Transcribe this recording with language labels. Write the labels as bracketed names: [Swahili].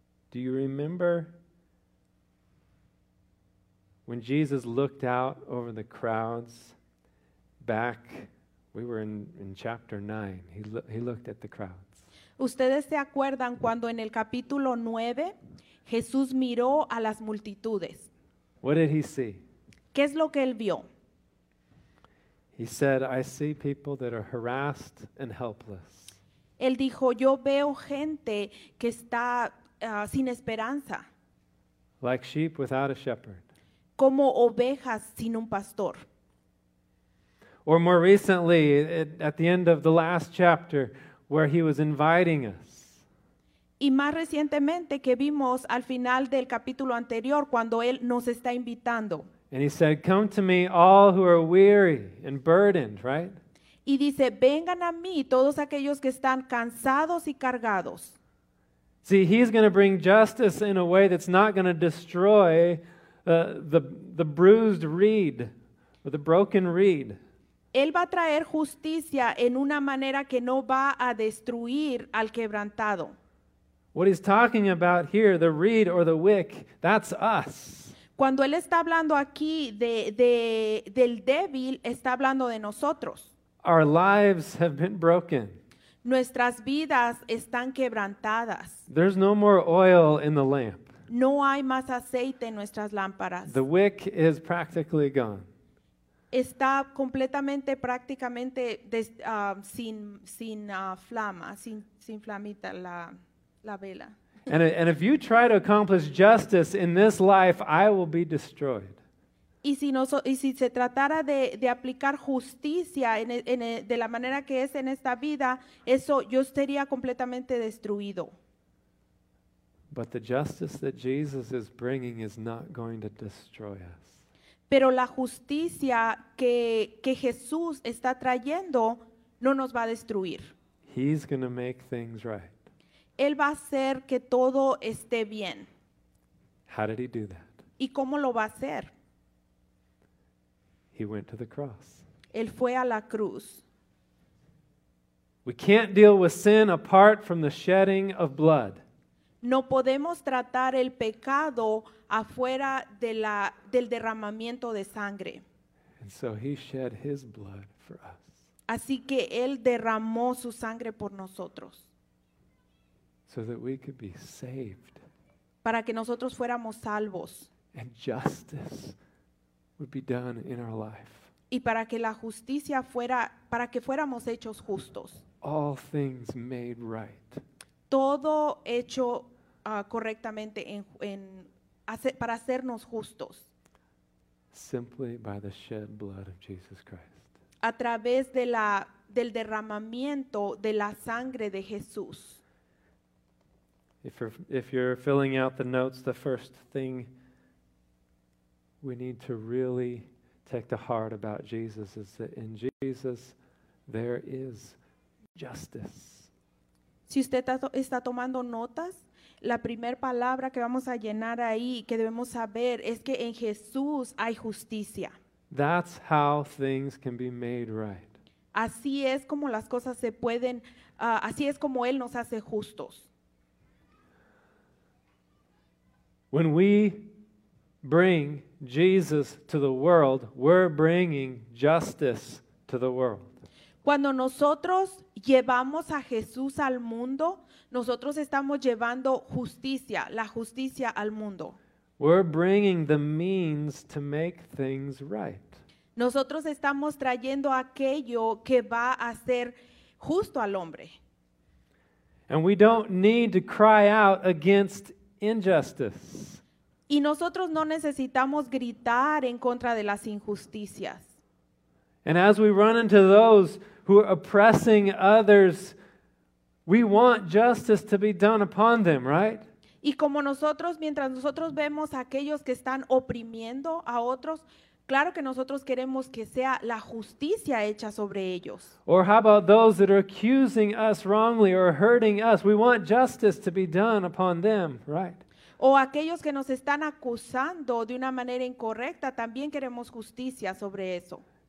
[English] Do you remember when Jesus looked out over the crowds back? We were in chapter 9. He looked at the crowds. [Spanish] ¿Ustedes se acuerdan cuando en el capítulo 9 Jesús miró a las multitudes? [English] What did he see? [Spanish] ¿Qué es lo que él vio? [English] He said, I see people that are harassed and helpless. [Spanish] Él dijo, yo veo gente que está sin esperanza. [English] Like sheep without a shepherd. [Spanish] Como ovejas sin un pastor. [English] Or more recently, at the end of the last chapter, where he was inviting us. [Spanish] Y más recientemente que vimos al final del capítulo anterior, cuando él nos está invitando. [English] And he said, come to me all who are weary and burdened, right? [Spanish] Y dice, vengan a mí todos aquellos que están cansados y cargados. [English] See, he's going to bring justice in a way that's not going to destroy the bruised reed or the broken reed. [Spanish] Él va a traer justicia en una manera que no va a destruir al quebrantado. [English] What he's talking about here, the reed or the wick, that's us. [Spanish] Cuando él está hablando aquí del débil, está hablando de nosotros. [English] Our lives have been broken. [Spanish] Nuestras vidas están quebrantadas. [English] There's no more oil in the lamp. [Spanish] No hay más aceite en nuestras lámparas. [English] The wick is practically gone. [Spanish] Está completamente, prácticamente sin flamita la vela. [English] And if you try to accomplish justice in this life, I will be destroyed. [Spanish] Y si se tratara de aplicar justicia de la manera que es en esta vida, eso yo estaría completamente destruido. [English] But the justice that Jesus is bringing is not going to destroy us. [Spanish] Pero la justicia que Jesús está trayendo no nos va a destruir. [English] He's going to make things right. [Spanish] Él va a hacer que todo esté bien. [English] How did he do that? [Spanish] ¿Y cómo lo va a hacer? [English] He went to the cross. [Spanish] Él fue a la cruz. [English] We can't deal with sin apart from the shedding of blood. [Spanish] No podemos tratar el pecado afuera del derramamiento de sangre. [English] And so he shed his blood for us. [Spanish] Así que él derramó su sangre por nosotros. [English] So that we could be saved. [Spanish] Para que nosotros fuéramos salvos. [English] And justice would be done in our life. [Spanish] Y para que la justicia para que fuéramos hechos justos. [English] All things made right. [Spanish] Todo hecho correctamente para hacernos justos. [English] Simply by the shed blood of Jesus Christ. [Spanish] A través de del derramamiento de la sangre de Jesús. [English] If you're filling out the notes, the first thing we need to really take to heart about Jesus is that in Jesus there is justice. [Spanish] Si usted está tomando notas, la primera palabra que vamos a llenar ahí, que debemos saber, es que en Jesús hay justicia. [English] That's how things can be made right. [Spanish] Así es como las cosas se pueden, así es como Él nos hace justos. [English] When we bring Jesus to the world, we're bringing justice to the world. [Spanish] Cuando nosotros llevamos a Jesús al mundo, nosotros estamos llevando justicia, la justicia al mundo. [English] We're bringing the means to make things right. [Spanish] Nosotros estamos trayendo aquello que va a ser justo al hombre. [English] And we don't need to cry out against injustice. [Spanish] Y nosotros no necesitamos gritar en contra de las injusticias. [English] And as we run into those who are oppressing others, we want justice to be done upon them, right? [Spanish] Y como nosotros, mientras nosotros vemos a aquellos que están oprimiendo a otros, claro que nosotros queremos que sea la justicia hecha sobre ellos. [English] Or how about those that are accusing us wrongly or hurting us? We want justice to be done upon them, right? [Spanish] O aquellos que nos están acusando de una manera incorrecta, también queremos justicia sobre eso.